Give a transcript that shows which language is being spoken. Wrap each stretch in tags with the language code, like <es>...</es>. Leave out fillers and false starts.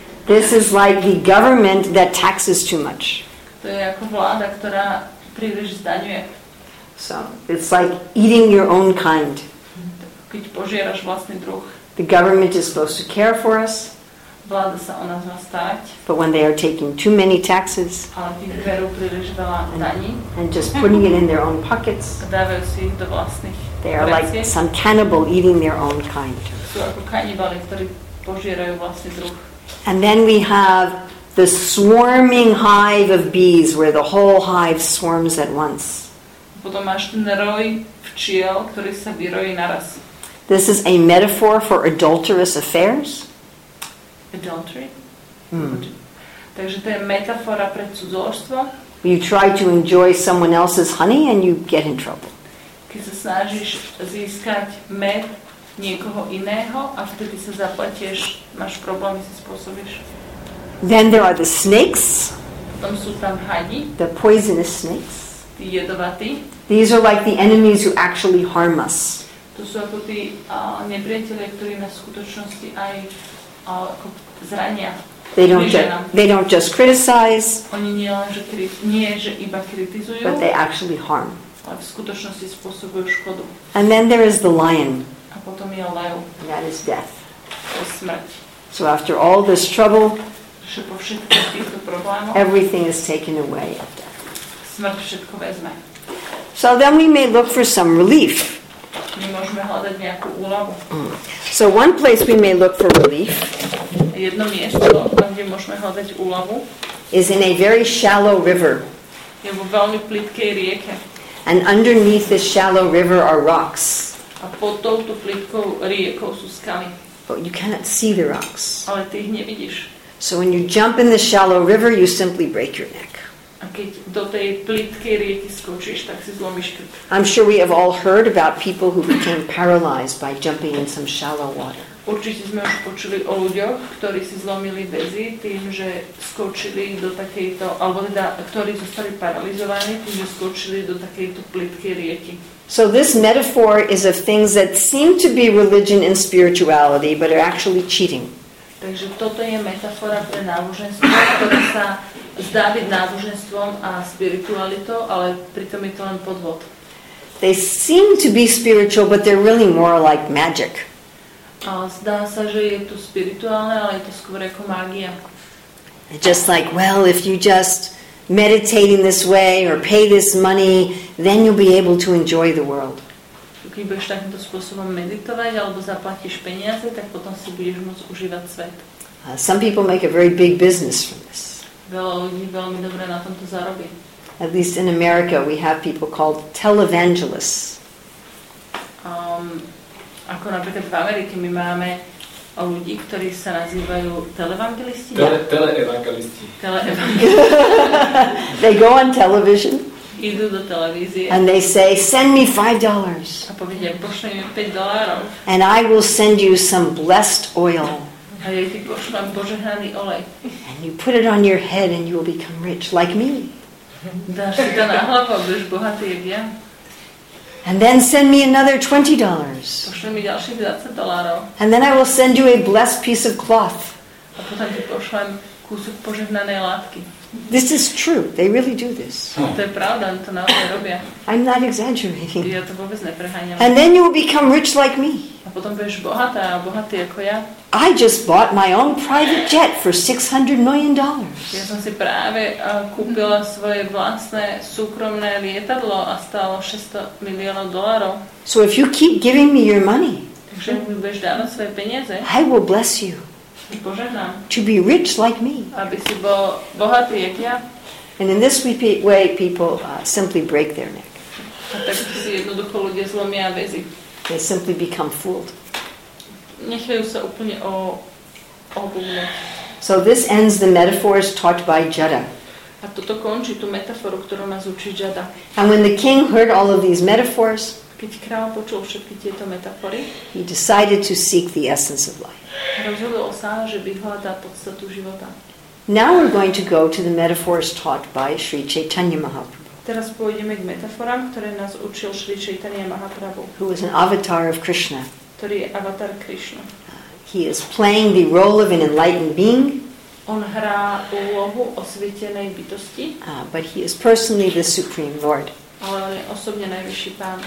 <en>This is like the government that taxes too much.</en> <sk>To je jako vláda, ktorá príliš zdaňuje.</sk> <en>So it's like eating your own kind.</en> <sk>Keď požieraš vlastný druh.</sk> <en>The government is supposed to care for us.</en> <sk>Vláda sa o nás má starať.</sk> <en>But when they are taking too many taxes,</en> <sk>ale tí berú príliš veľa daní,</sk> <en>and just putting it in their own pockets,</en> <sk>dávajú si do vlastných.</sk> <en>They are like some cannibal eating their own kind.</en> <sk>Sú ako kanibali, ktorí požierajú vlastný druh.</sk> <en>And then we have the swarming hive of bees where the whole hive swarms at once.</en> <sk>Potom máš ten roj včiel, ktorý sa vyrojí naraz.</sk> <en>This is a metaphor for adulterous affairs.</en> <sk>Adultery? Takže to je metafora pre cudzoložstvo.</sk> <en>You try to enjoy someone else's honey and you get in trouble.</en> <sk>Keď sa snažíš získať med niekoho iného a vtedy sa zapletieš, máš problémy, si spôsobíš.</sk> <en>Then there are the snakes.</en> <sk>Potom sú tam hadi.</sk> <en>The poisonous snakes.</en> <sk>Tí jedovatí.</sk> <en>These are like the enemies who actually harm us.</en> <sk>To sú ako tí nepriatelia, ktorí nás v skutočnosti aj ako zrania.</sk> <en>They don't just criticize.</en> <sk>Oni nie len, že iba kritizujú.</sk> <en>But they actually harm.</en> <sk>Ale v skutočnosti spôsobujú škodu.</sk> <en>And then there is the lion.</en> <sk>A potom je lev.</sk> <en>And that is death.</en> <sk>To je smrť.</sk> <en>So after all this trouble,</en> <sk>po všetkých týchto problémoch,</sk> <en>everything is taken away at death.</en> <sk>Smrť všetko vezme.</sk> <en>So then we may look for some relief.</en> <sk>My môžeme hľadať nejakú úľavu.</sk> <en>So one place we may look for relief,</en> <sk>jedno miesto, tam, kde môžeme hľadať úľavu,</sk> <en>is in a very shallow river.</en> <sk>Je vo veľmi plitkej rieke.</sk> <en>And underneath this shallow river are rocks.</en> <sk>A pod touto plitkou riekou sú skaly.</sk> <en>But you cannot see the rocks.</en> <sk>Ale ty ich nevidíš.</sk> <en>So when you jump in the shallow river, you simply break your neck.</en> <sk>A keď do tej plitkej rieky skočíš, tak si zlomíš krk.</sk> <en>I'm sure we have all heard about people who became paralyzed by jumping in some shallow water.</en> <sk>Určite sme už počuli o ľuďoch, ktorí si zlomili väzy tým, že skočili do takejto, alebo teda, ktorí zostali paralizovaní tým, že skočili do takejto plitkej rieky.</sk> <en>So this metaphor is of things that seem to be religion and spirituality, but are actually cheating.</en> <sk>Takže toto je metafora pre náboženstvo, ktoré sa zdá byť náboženstvom a spiritualitou, ale pritom je to len podvod.</sk> <en>They seem to be spiritual, but they're really more like magic.</en> <sk>A zdá sa, že je to spirituálne, ale je to skôr ako mágia.</sk> <en>Just like, well, if you just meditate in this way or pay this money, then you'll be able to enjoy the world.</en> <sk>Keď budeš takýmto spôsobom meditovať alebo zaplatíš peniaze, tak potom si budeš môcť užívať svet.</sk> <en>Some people make a very big business from this.</en> <sk>Veľa ľudí veľmi dobre na tomto zarobí.</sk> <en>At least in America we have people called televangelists.</en> <sk>Ako napríklad v Amerike my máme ľudí, ktorí sa nazývajú televangelisti. Televangelisti.</sk> <en>They go on television.</en> <sk>Idú do televízie.</sk> <en>And they say, send me $5.</en> <sk>A povedia, pošli mi $5.</sk> <en>And I will send you some blessed oil.</en> <sk>A ja ti pošlám požehnaný olej.</sk> <en>And you put it on your head and you will become rich, like me.</en> <sk>Dáš si to na hlavu, budeš bohatý, jak ja.</sk> <en>And then send me another $20.</en> <sk>Pošli mi ďalších $20.</sk> <en>And then I will send you a blessed piece of cloth.</en> <sk>A potom ti pošlám kúsok požehnanej látky.</sk> <en>This is true. They really do this.</en> <sk>To je pravda, to naozaj robia.</sk> <en>I'm not exaggerating.</en> <sk>Ja to vôbec nepreháňam.</sk> <en>And then you will become rich like me.</en> <sk>A potom budeš bohatá a bohatý ako ja.</sk> <en>I just bought my own private jet for $600 million.</en> <sk>Ja som si práve kúpila svoje vlastné súkromné lietadlo a stalo $600 million.</sk> <en>So if you keep giving me your money,</en> <sk>takže mi budeš dávať svoje peniaze,</sk> <en>I will bless you.</en> <sk>Požehnám.</sk> <en>To be rich like me.</en> <sk>Aby si bol bohatý, jak ja.</sk> <en>And in this way people simply break their neck.</en> <sk>A tak si jednoducho ľudia zlomia väzy.</sk> <en>They simply become fooled.</en> <sk>Nechajú sa úplne obumnúť.</sk> <en>So this ends the metaphors taught by Jada.</en> <sk>A toto končí tú metaforu, ktorú nás učí Jada.</sk> <en>And when the king heard all of these metaphors,</en> <sk>keď kráľ počul všetky tieto metafory,</sk> <en>he decided to seek the essence of life.</en> <sk>Rozhodol sa, že vyhľadá podstatu života.</sk> <en>Now we're going to go to the metaphors taught by Sri Chaitanya Mahaprabhu.</en> <sk>Teraz pôjdeme k metaforám, ktoré nás učil Sri Chaitanya Mahaprabhu.</sk> <en>Who is an avatar of Krishna.</en> <sk>Ktorý je avatar Krishna.</sk> <en>He is playing the role of an enlightened being.</en> <sk>On hrá úlohu osvětěné bytosti.</sk> <en>But he is personally the Supreme Lord.</en> <cs>Ale on je osobně nejvyšší pán.</cs>